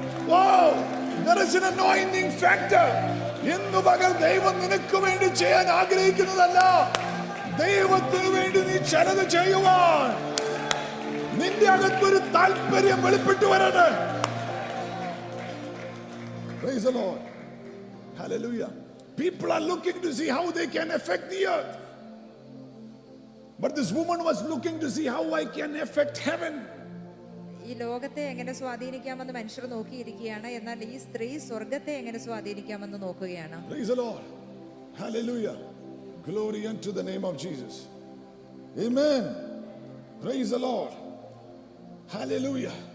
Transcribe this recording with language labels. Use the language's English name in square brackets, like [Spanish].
[Malayalam] വോ, [English] there is an anointing factor. [Malayalam] ഇന്ന് പകൽ ദൈവം നിനക്ക് വേണ്ടി ചെയ്യാൻ ആഗ്രഹിക്കുന്നതല്ല, ദൈവത്തിന് വേണ്ടി നീ ചിലത് ചെയ്യുവാൻ നിന്റെ അകത്തൊരു താല്പര്യം വെളിപ്പെട്ടു വരട്ടെ. [English] Praise the Lord. Hallelujah. People are looking to see how they can affect the earth. But this woman was looking to see how I can affect heaven. [Malayalam] ഈ ലോകത്തെ എങ്ങനെ സ്വാധീനിക്കാമെന്ന് മനുഷ്യർ നോക്കിയിരിക്കുകയാണ്. എന്നാൽ ഈ സ്ത്രീ സ്വർഗത്തെ എങ്ങനെ സ്വാധീനിക്കാമെന്ന് നോക്കുകയാണ്. [English] Praise the Lord. Hallelujah. Glory unto the name of Jesus. Amen. Praise the Lord. Hallelujah.